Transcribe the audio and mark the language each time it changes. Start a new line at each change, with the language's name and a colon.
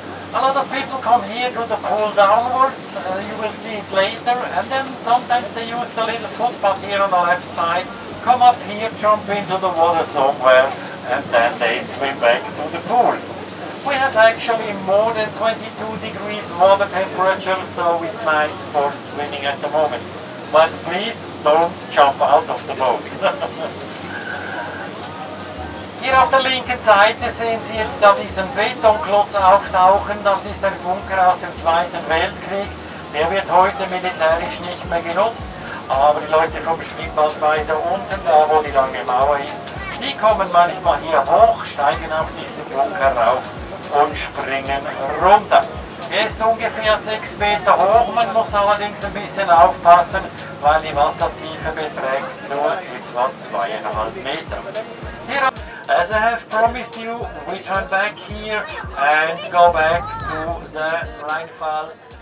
English: A lot of people come here to the pool downwards, you will see it later, and then sometimes they use the little footpath here on the left side, come up here, jump into the water somewhere, and then they swim back to the pool. We have actually more than 22 degrees water temperature, so it's nice for swimming at the moment. But please don't jump out of the boat.
German: Hier auf der linken Seite sehen Sie jetzt da diesen Betonklotz auftauchen. Das ist ein Bunker aus dem Zweiten Weltkrieg. Der wird heute militärisch nicht mehr genutzt. Aber die Leute vom Schwimmbad weiter unten, da wo die lange Mauer ist, die kommen manchmal hier hoch, steigen auf diesen Bunker rauf und springen runter. Er ist ungefähr 6 Meter hoch. Man muss allerdings ein bisschen aufpassen, weil die Wassertiefe beträgt nur etwa 2,5 Meter.
English: As I have promised you, we turn back here and go back to the rainfall.